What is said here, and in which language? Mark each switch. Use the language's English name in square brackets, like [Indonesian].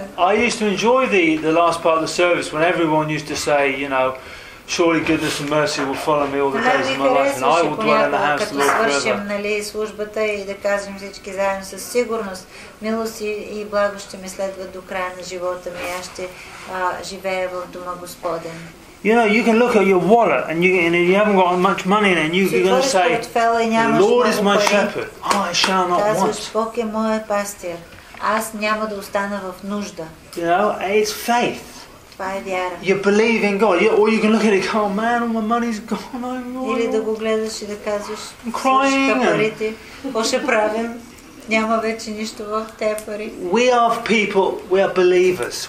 [English] I used to enjoy the last part of the service when everyone used to say, you know, surely goodness and mercy will follow me all the days of my life and I will dwell in the house of the Lord forever. [Bulgarian] Свършим, нали, службата и да кажем всички заедно със сигурност, милост и благо ще ми следват до края на живота ми, аз ще живея в дома Господен. [English] You know, you can look at your wallet and you haven't got much money in it and you're going to say, the Lord is my shepherd, I shall not want. [Bulgarian] Бог е моят пастир. Аз няма да остана в нужда. [English] You know, it's faith. [Bulgarian] Това е вяра. [English] You believe in God. Or you can look at it and go, oh man, all my money's gone. [Bulgarian] Или да го гледаш и да казваш, [English] I'm crying. [Bulgarian] Парите, какво ще правим? Няма вече нищо в тези пари. [English] We are people, we are believers.